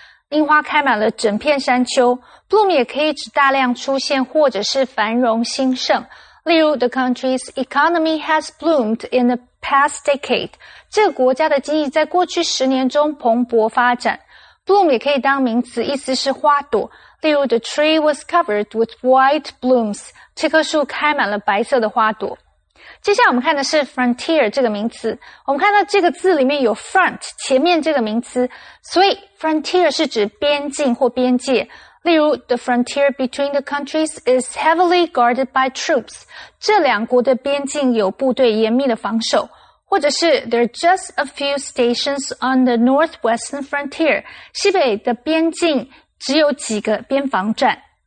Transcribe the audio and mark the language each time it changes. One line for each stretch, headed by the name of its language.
Chinese: 樱花开满了整片山丘 ,bloom 也可以指大量出现或者是繁荣兴盛。例如
English: ,the country's economy has bloomed in the past decade.
Chinese: 这个国家的经济在过去十年中蓬勃发展。 bloom 也可以当名词，意思是花朵。例如
English: ,the tree was covered with white blooms.
Chinese: 这棵树开满了白色的花朵。接下来我们看的是 frontier 这个名词，我们看到这个字里面有 front 前面这个名词，所以 frontier 是指边境或边界。例如
English: ,the frontier between the countries is heavily guarded by troops.
Chinese: 这两国的边境有部队严密的防守。或者是
English: ,there are just a few stations on the northwestern frontier.
Chinese: 西北的边境只有几个边防站。